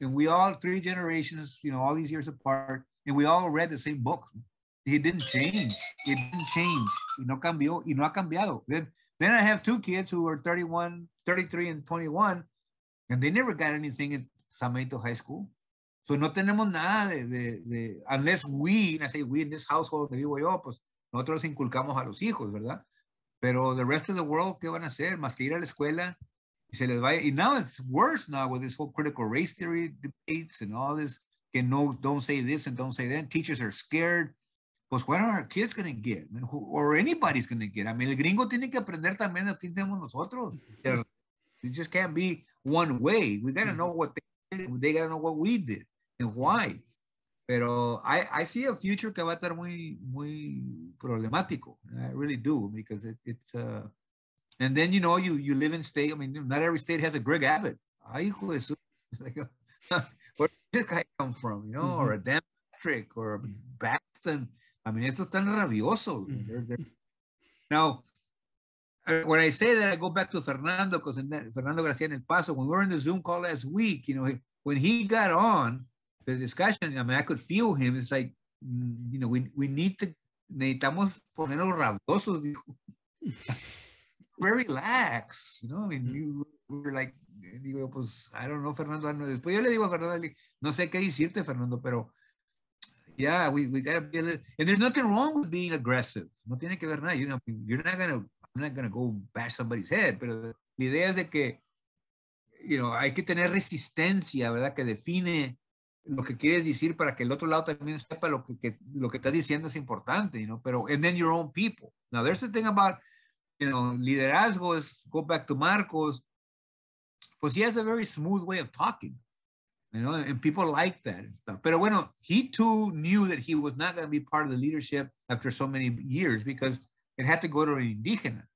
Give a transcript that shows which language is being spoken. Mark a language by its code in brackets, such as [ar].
[en] And we all, three generations, you know, all these years apart, and we all read the same book. It didn't change. [es] Y no cambió. Y no ha cambiado. [en] Then I have two kids who are 31, 33, and 21, and they never got anything in Samaito High School. [es] So no tenemos nada de [en] unless we, and I say we in this household [es] que vivo yo, pues nosotros inculcamos a los hijos, ¿verdad? Pero [en] the rest of the world, [es] ¿qué van a hacer? Más que ir a la escuela. Y se les va. [en] And now it's worse now with this whole critical race theory debates and all this. [es] Que no, [en] don't say this and don't say that. Teachers are scared. [es] Pues, [en] what are our kids going to get? I mean, or anybody's going to get? I mean, [es] el gringo tiene que aprender también a quién tenemos nosotros. [en] It just can't be one way. We got to know what they did. They got to know what we did and why. [es] Pero [en] I see a future [es] que va a estar muy, muy problemático. [en] I really do, because it's... and then, you know, you live in state. I mean, not every state has a Greg Abbott. [es] Ay, hijo de su... [en] Where did this guy come from, you know? Mm-hmm. Or a Dan Patrick or a Baxton. I mean, [es] esto tan rabioso. [en] Now, when I say that, I go back to Fernando, because Fernando García en El Paso, when we were in the Zoom call last week, you know, when he got on the discussion, I mean, I could feel him. It's like, you know, we need to, [es] necesitamos ponernos rabiosos. [en] Very lax, you know, I mean, you were like, [es] digo, pues, [en] I don't know, Fernando. [es] Después yo le digo a Fernando, no sé qué decirte, Fernando, pero... [en] Yeah, we gotta be a little, and there's nothing wrong with being aggressive. [es] No tiene que ver nada. [en] You know, I'm not gonna go bash somebody's head, [es] pero la idea es de que, [en] you know, [es] hay que tener resistencia, ¿verdad? Que define lo que quieres decir para que el otro lado también sepa lo que estás diciendo es importante, [en] you know, [es] pero, [en] and then your own people. Now, there's the thing about, you know, liderazgo is, go back to Marcos, [es] pues [en] he has a very smooth way of talking. You know, and people like that and stuff. [es] Pero bueno, [en] he too knew that he was not going to be part of the leadership after so many years because it had to go to an indígena.